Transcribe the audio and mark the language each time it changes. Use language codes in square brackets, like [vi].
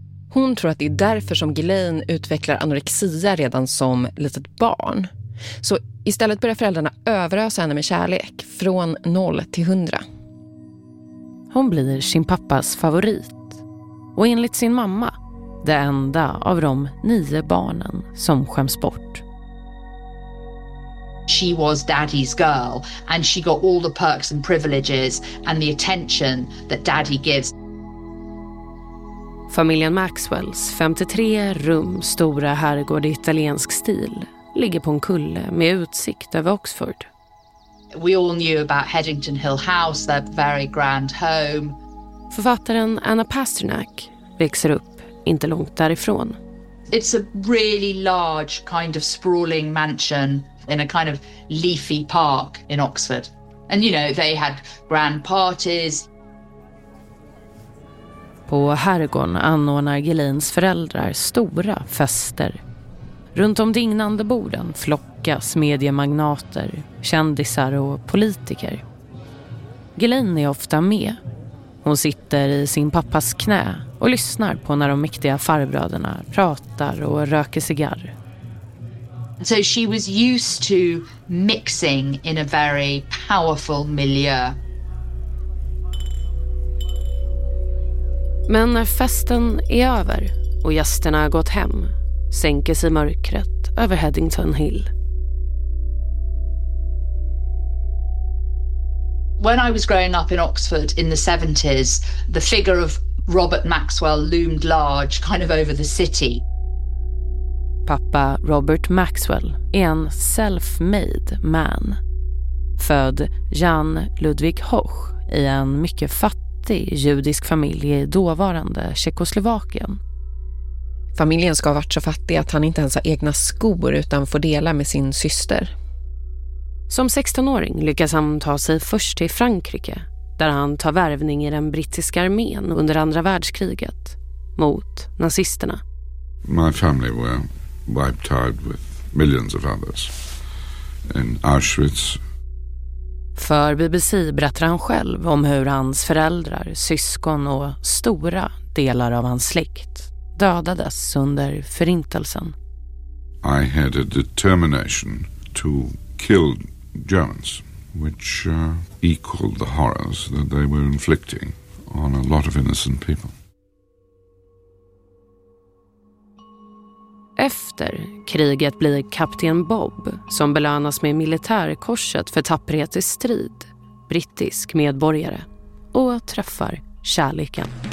[sv] Hon tror att det är därför som Ghislaine utvecklar anorexia redan som litet barn. Så istället börjar föräldrarna överösa henne med kärlek från 0 till 100. Hon blir sin pappas favorit. Och enligt sin mamma, det enda av de 9 barnen som skäms bort. [en] She was daddy's girl and she got all the perks and privileges and the attention that daddy gives. [sv] Familjen Maxwells 53 rum stora herrgård i italiensk stil ligger på en kulle med utsikt över Oxford. [en] We all knew about Headington Hill House, their very grand home. [sv] Författaren Anna Pasternak växer upp inte långt därifrån. [en] It's a really large kind of sprawling mansion in a kind of leafy park in Oxford. And you know, they had grand parties. [sv] På herrgården anordnar Ghislaines föräldrar stora fester. Runt om dignande borden flockas mediemagnater, kändisar och politiker. Ghislaine är ofta med. Hon sitter i sin pappas knä och lyssnar på när de mäktiga farbröderna pratar och röker cigarr. [en] So she was used to mixing in a very powerful milieu. [sv] Men när festen är över och gästerna har gått hem sänker sig mörkret över Headington Hill. [en] When I was growing up in Oxford in the 70s, the figure of Robert Maxwell loomed large kind of over the city. [sv] Pappa Robert Maxwell är en self-made man. Född Jan Ludwig Hoch i en mycket fattig judisk familj i dåvarande Tjeckoslovakien. Familjen ska ha varit så fattig att han inte ens har egna skor utan får dela med sin syster. Som 16-åring lyckas han ta sig först till Frankrike, där han tar värvning i den brittiska armén under andra världskriget mot nazisterna. [en] My family were wiped out with millions of others in Auschwitz. [sv] För BBC berättar han själv om hur hans föräldrar, syskon och stora delar av hans släkt dödades under förintelsen. [en] I had a determination to kill Germans, which equaled the horrors that they were inflicting on a lot of innocent people. [sv] Efter kriget blir kapten Bob, som belönas med militärkorset för tapperhet i strid, brittisk medborgare och träffar kärleken.